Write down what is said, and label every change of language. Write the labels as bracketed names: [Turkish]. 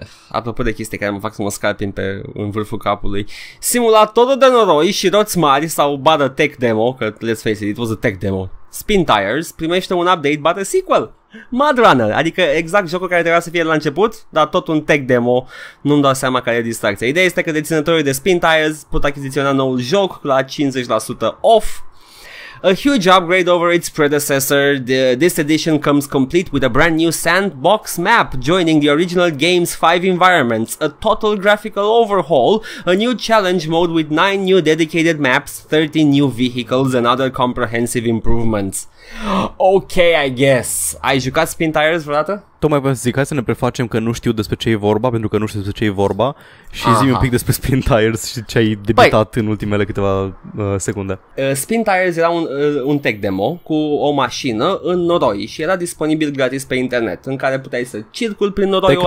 [Romanian] Apropo de chestii care mă fac să mă scalpin pe în vârful capului, simulatorul de noroi și roți mari sau bară tech demo, că [English] let's face it, it was a tech demo, [Romanian] Spin Tires primește un update, bară sequel, Mud Runner, adică exact jocul care trebuia să fie la început, dar tot un tech demo, nu-mi dau seama care e distracția. Ideea este că deținătorii de Spin Tires pot achiziționa noul joc la 50% off. [English] A huge upgrade over its predecessor, this edition comes complete with a brand new sandbox map joining the original game's 5 environments, a total graphical overhaul, a new challenge mode with 9 new dedicated maps, 13 new vehicles and other comprehensive improvements. Ok, I guess. [Romanian] Ai jucat Spin Tires vreodată? Tocmai vreau să zic, hai să ne prefacem că nu știu despre ce e vorba, pentru că nu știu despre ce e vorba. Și aha, zi-mi un pic despre Spin Tires și ce ai debitat în ultimele câteva secunde. Spin Tires era un tech demo cu o mașină în noroi și era disponibil gratis pe internet, în care puteai să circul prin noroiul